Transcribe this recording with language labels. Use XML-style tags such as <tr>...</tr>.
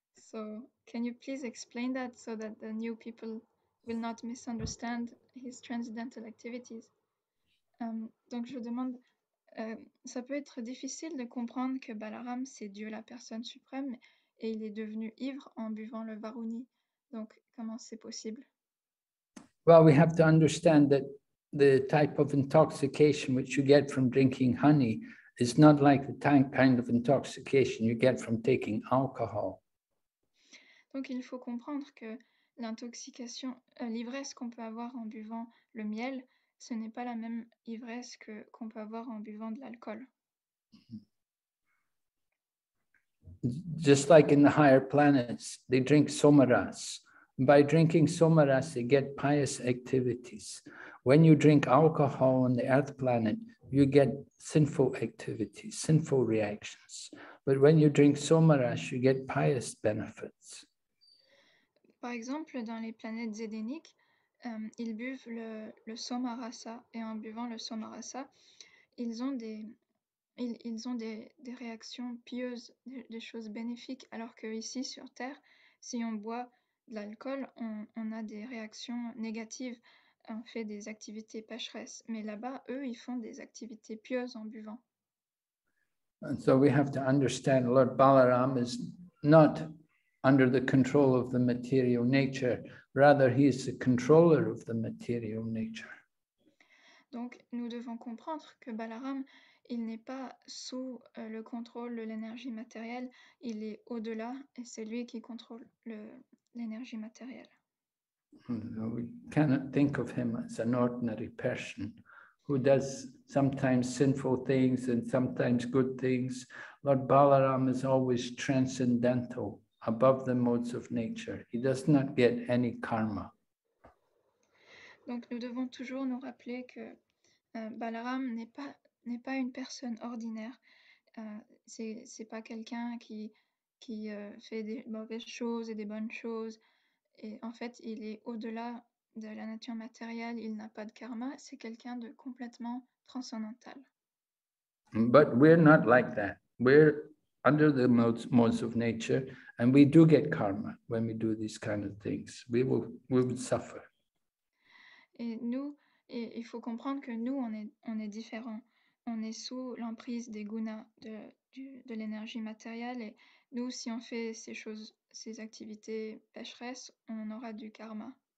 <en>So can you please explain that so that the new people will not misunderstand his transcendental activities.</en> <fr>Donc je demande, ça peut être difficile de comprendre que Balaram, c'est Dieu la personne suprême, et il est devenu ivre en buvant le Varuni. Donc comment c'est possible?</fr> <en>Well, we have to understand that the type of intoxication which you get from drinking honey is not like the kind of intoxication you get from taking alcohol.</en> <fr>Donc il faut comprendre que l'intoxication, l'ivresse qu'on peut avoir en buvant le miel, ce n'est pas la même ivresse que qu'on peut avoir en buvant de l'alcool.</fr> <en>Just like in the higher planets, they drink somaras. By drinking somaras, they get pious activities. When you drink alcohol on the earth planet, you get sinful activities, sinful reactions. But when you drink somaras, you get pious benefits.</en> <fr>Par exemple, dans les planètes édéniques, ils buvent le somarasa, et en buvant le somarasa, ils ont des réactions pieuses, des choses bénéfiques, alors que ici sur Terre, si on boit de l'alcool, on a des réactions négatives, on fait des activités pécheresses. Mais là-bas, eux, ils font des activités pieuses en buvant.</fr> <en>And so we have to understand Lord Balaram is not under the control of the material nature, rather he is the controller of the material nature.</en> <fr>Donc nous devons comprendre que Balaram, il n'est pas sous le contrôle de l'énergie matérielle, il est au-delà et c'est lui qui contrôle l'énergie matérielle.</fr> <en>So we cannot think of him as an ordinary person who does sometimes sinful things and sometimes good things. Lord Balaram is always transcendental, above the modes of nature. He does not get any karma.</en> <fr>Donc nous devons toujours nous rappeler que Balaram n'est pas une personne ordinaire. C'est pas quelqu'un qui fait des mauvaises choses et des bonnes choses. Et en fait, il est au-delà de la nature matérielle. Il n'a pas de karma. C'est quelqu'un de complètement transcendantal.</fr> <en>But we're not like that. We're under the modes of nature, and we do get karma when we do these kind of things. We will suffer.</en> <fr>Et nous, et il faut comprendre que nous, on est différents. On est sous l'emprise des gunas de l'énergie matérielle. Et nous, si on fait ces choses, ces activités pécheresses, on aura du karma.</fr>